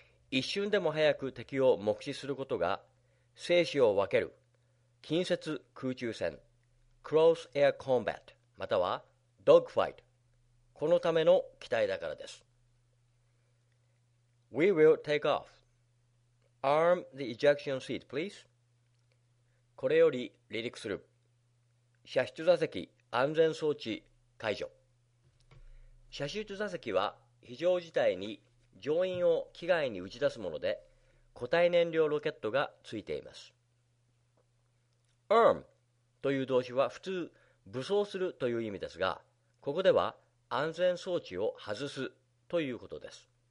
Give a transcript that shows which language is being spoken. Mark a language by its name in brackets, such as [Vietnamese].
[Japanese] 一瞬でも早く敵を目視することが生死を分ける近接空中戦 Close Air Combat または Dogfight このための機体だからです。 [English] We will take off. Arm the ejection seat, please. [Japanese] これより離陸する。射出座席安全装置解除。射出座席は非常事態に乗員を機外に打ち出すもので、固体燃料ロケットがついています。 Arm という動詞は普通、武装するという意味ですが、ここでは安全装置を外すということです。